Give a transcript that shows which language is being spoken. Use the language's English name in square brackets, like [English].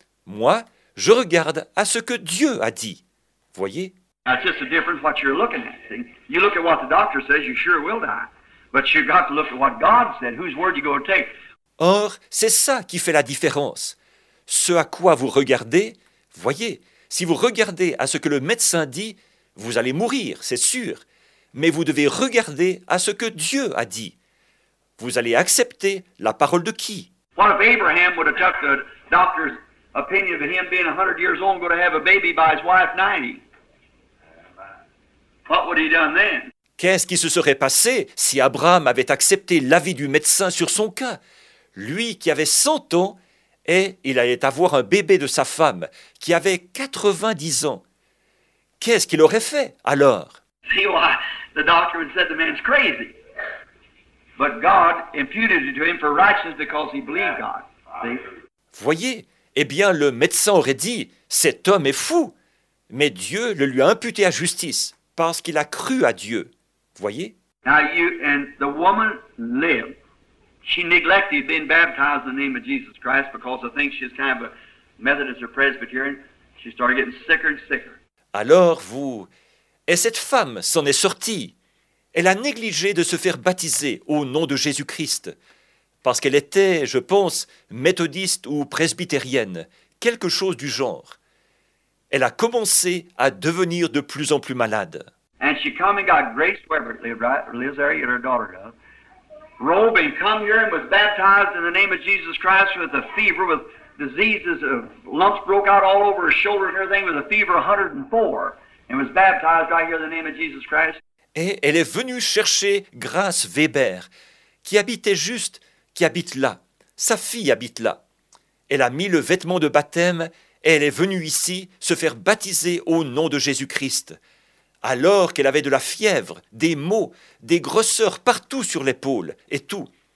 [French] Moi, je regarde à ce que Dieu a dit. Voyez? [English] That's just the difference what you're looking at. See? You look at what the doctor says, you sure will die. But you've got to look at what God said. Whose word are you going to take? [French] Or, c'est ça qui fait la différence. Ce à quoi vous regardez, voyez, si vous regardez à ce que le médecin dit, vous allez mourir, c'est sûr. Mais vous devez regarder à ce que Dieu a dit. Vous allez accepter la parole de qui? [English] What if Abraham would have took the doctor's opinion of him being 100 years old and going to have a baby by his wife 90? What would he done then? [French] Qu'est-ce qui se serait passé si Abraham avait accepté l'avis du médecin sur son cas? Lui qui avait 100 ans et il allait avoir un bébé de sa femme qui avait 90 ans. Qu'est-ce qu'il aurait fait alors? [English] See why the doctor would say the man's crazy. But God imputed it to him for righteousness because he believed God. See? [French] Voyez, eh bien le médecin aurait dit, cet homme est fou, mais Dieu le lui a imputé à justice parce qu'il a cru à Dieu. Voyez? [English] Now you and the woman lived. She neglected being baptized in the name of Jesus Christ because I think she's kind of a Methodist or Presbyterian. She started getting sicker and sicker. [French] Alors vous et cette femme s'en est sortie. Elle a négligé de se faire baptiser au nom de Jésus Christ parce qu'elle était, je pense, méthodiste ou presbytérienne, quelque chose du genre. Elle a commencé à devenir de plus en plus malade. [English] And she come and got Grace Weber lives there, and her daughter does. Robe and come here and was baptized in the name of Jesus Christ with a fever, with diseases of lumps broke out all over her shoulder and everything, with a fever 104, and was baptized right here in the name of Jesus Christ. [French] Et elle est venue chercher Grace Weber, qui habitait juste, qui habite là. Sa fille habite là. Elle a mis le vêtement de baptême et elle est venue ici se faire baptiser au nom de Jésus Christ. Alors qu'elle avait de la fièvre, des maux, des grosseurs partout sur l'épaule et tout.